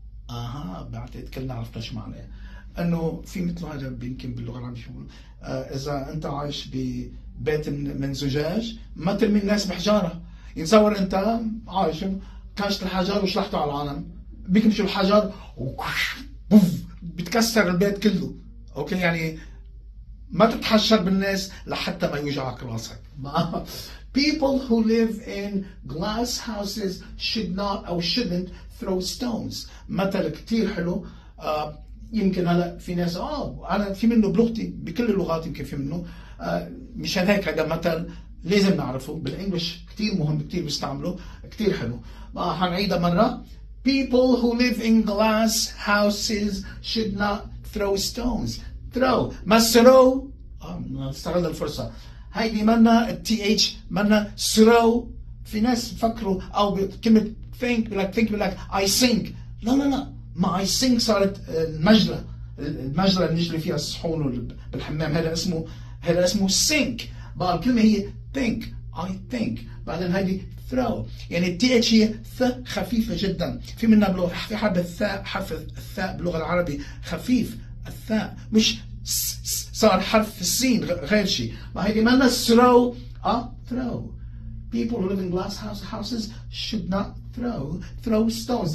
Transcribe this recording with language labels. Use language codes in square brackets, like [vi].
[ar] اها بعتقد كلنا عرفنا شو معناه، انه في مثل هذا يمكن باللغه العربيه بيقولوا اذا انت عايش ببيت من زجاج ما ترمي الناس بحجاره. يتصور انت عايش كاشت الحجر وشلحته على العالم، بيكمش الحجر بوف بتكسر البيت كله. اوكي يعني ما تتحشر بالناس لحتى ما يوجعك راسك. [en] People who live in glass houses should not or shouldn't throw stones. [ar] مثل كتير حلو. يمكن هلا في ناس انا في منه بلغتي، بكل اللغات يمكن في منه. مشان هيك هذا مثل لازم نعرفه بالانجلش، كتير مهم كتير بيستعمله، كتير حلو. هنعيدها مرة. [en] People who live in glass houses should not throw stones. throw ما throw. [ar] استغل الفرصة هاي بمنا th منا throw. في ناس بفكروا او بكلمة [en] think like think like I sink. [ar] لا لا لا، ما [en] I sink [ar] صارت المجرى، المجرى اللي نجري فيها الصحون بالحمام، هذا اسمه، هذا اسمه sink. بقى الكلمة هي think، [en] I think، [ar] بعدين هذه throw. يعني th هي ث خفيفة جدا، في منا بلغة في حرف الثاء، حرف الثاء باللغة العربية خفيف، الثاء مش صار حرف السين غير شيء. هذه منا throw، throw. [en] People who live in glass houses should not throw stones.